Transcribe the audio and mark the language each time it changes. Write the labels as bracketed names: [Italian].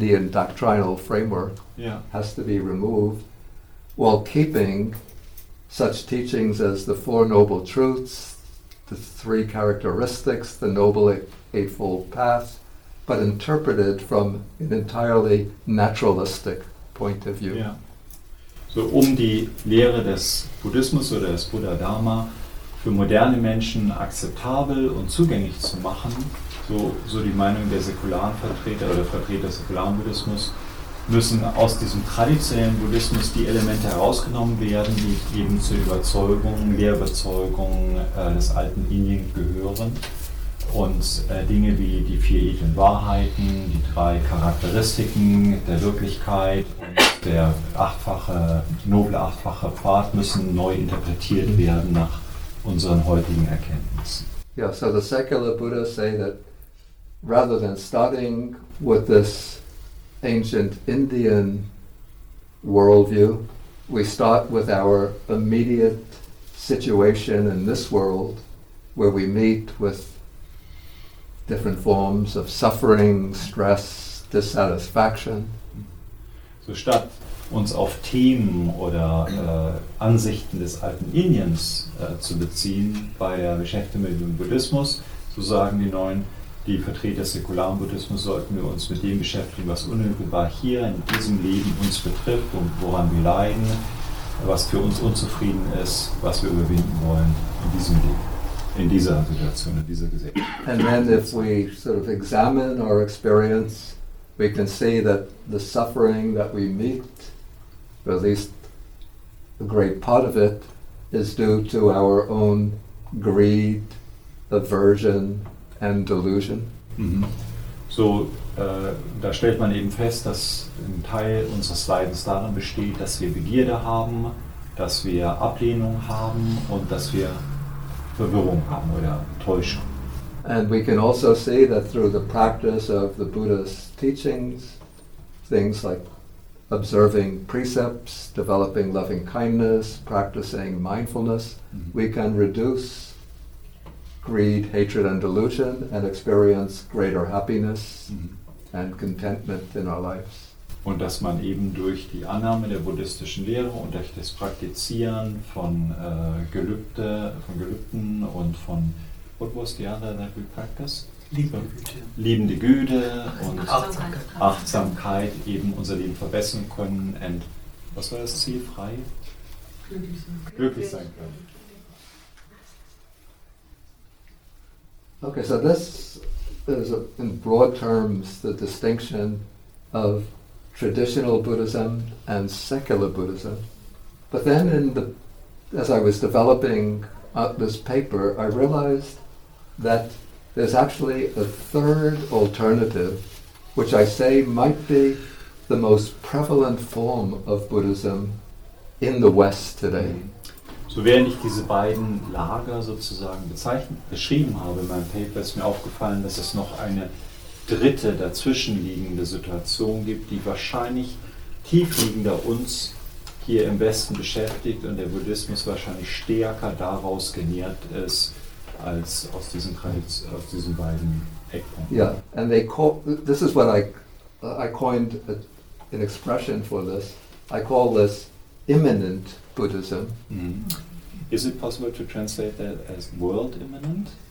[English] doctrinal framework has to be removed, while keeping such teachings as the Four Noble Truths, the Three Characteristics, the Noble Eightfold Path, but interpreted from an entirely naturalistic point of view. Yeah. So um die Lehre des Buddhismus oder des Buddha Dharma für moderne Menschen akzeptabel und zugänglich zu machen, so die Meinung der säkularen Vertreter oder Vertreter des säkularen Buddhismus, müssen aus diesem traditionellen Buddhismus die Elemente herausgenommen werden, die eben zur Überzeugung, Lehrüberzeugung des alten Indien gehören. Und Dinge wie die vier edlen Wahrheiten, die drei Charakteristiken der Wirklichkeit und der noble achtfache Pfad müssen neu interpretiert werden nach unseren heutigen Erkenntnissen. Yeah, so the secular Buddhas say that rather than studying with this ancient Indian worldview, we start with our immediate situation in this world, where we meet with different forms of suffering, stress, dissatisfaction. So statt uns auf Themen oder Ansichten des alten Indiens zu beziehen bei der Beschäftigung mit dem Buddhismus, so sagen die neuen, die Vertreter des säkularen Buddhismus, sollten wir uns mit dem beschäftigen, was unmittelbar hier in diesem Leben uns betrifft und woran wir leiden, was für uns unzufrieden ist, was wir überwinden wollen in diesem Leben. In dieser Situation, in dieser Gesellschaft. And then if we sort of examine our experience, we can see that the suffering that we meet, or at least a great part of it, is due to our own greed, aversion and delusion. Mm-hmm. [German] So, da stellt man eben fest, dass ein Teil unseres Leidens darin besteht, dass wir Begierde haben, dass wir Ablehnung haben und dass wir Verwirrung haben oder Täuschung. [English] And we can also see that through the practice of the Buddha's teachings, things like observing precepts, developing loving kindness, practicing mindfulness, mm-hmm. we can reduce greed, hatred and delusion and experience greater happiness mm-hmm. and contentment in our lives. [German] Und dass man eben durch die Annahme der buddhistischen Lehre und durch das Praktizieren von Gelübden und von, [English] what was the other that we practice? [German] Liebende Güte und Achtsamkeit eben unser Leben verbessern können und, was war das Ziel, frei? Glücklich sein können. [English] Okay, so this is in broad terms the distinction of traditional Buddhism and secular Buddhism. But then as I was developing this paper, I realized that there's actually a third alternative, which I say might be the most prevalent form of Buddhism in the West today. [German] So während ich diese beiden Lager sozusagen beschrieben habe in meinem Paper, ist mir aufgefallen, dass es noch eine dritte dazwischenliegende Situation gibt, die wahrscheinlich tiefliegender uns hier im Westen beschäftigt und der Buddhismus wahrscheinlich stärker daraus genährt ist als aus diesen beiden Eckpunkten. [English] Yeah, and this is what I coined an expression for this. I call this immanent Buddhism. Mm-hmm. Is it possible to translate that as world immanent?